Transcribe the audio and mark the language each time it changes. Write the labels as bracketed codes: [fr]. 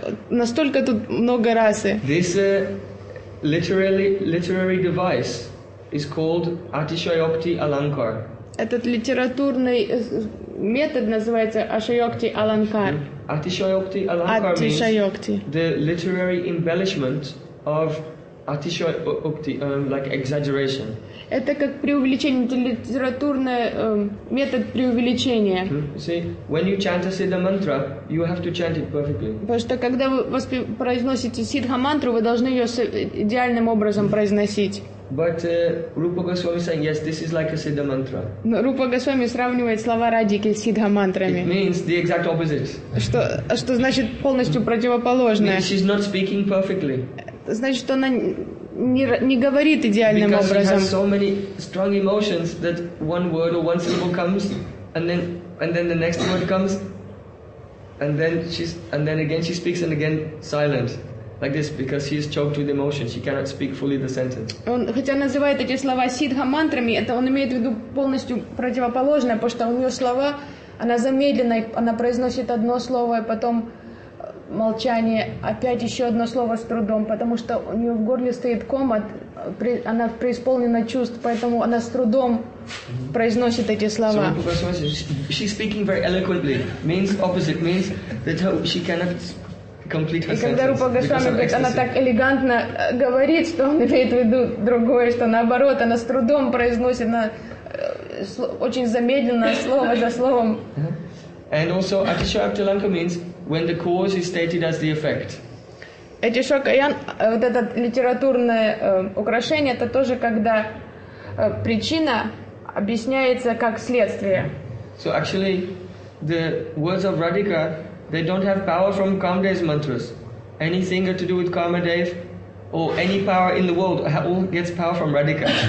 [ru] настолько тут много расы. [en] This literary device is called Atishayokti Alankar. [ru] Этот литературный метод называется Atishayokti Alankar. [sa] Atishayokti Alankar Atishayokti. [en] Means the literary embellishment of Atishayokti, like exaggeration. [ru] Это как преувеличение, это литературный метод преувеличения. [en] See, when you chant a Siddha mantra, you have to chant it perfectly. [ru] Потому что когда вы произносите Сиддха мантру, вы должны ее с идеальным образом произносить. [en] But Rupa Goswami saying yes, this is like a Siddha mantra. [ru] Но Рупа Госвами сравнивает слова Радики с Сиддха мантрами. [en] It means the exact opposite. [ru] Что значит полностью противоположное? [en] She's not speaking perfectly. [ru] Значит, что она не говорит идеальным [en] Because [ru] образом. [en] Because she has so many strong emotions that one word or one syllable comes, and then the next word comes, and then again she speaks and again silent. Like this, because he is choked with emotion, she cannot speak fully the sentence. [ru] Он хотя называет эти слова сиддха мантрами, это он имеет в виду полностью противоположное, потому что у нее слова, она замедленная, она произносит одно слово, и потом молчание, опять еще одно слово с трудом, потому что у нее в горле стоит ком, она преисполнена чувств, поэтому она с трудом произносит эти слова. [en] So, she's speaking very eloquently, means opposite, means that she cannot complete her [ru] И когда Рупа Госвами говорит, она так элегантно говорит, что он имеет в виду другое, что наоборот, она с трудом произносит, она очень замедленно слово за словом. [en] And also, Atishayokti Alankar means when the cause is stated as the effect. [ru] Atishayokti, вот это литературное украшение, это тоже когда причина объясняется как следствие. [en] So actually, the words of Radhika, they don't have power from Kamadev's mantras. Anything to do with Kamadev or any power in the world all gets power from Radhika.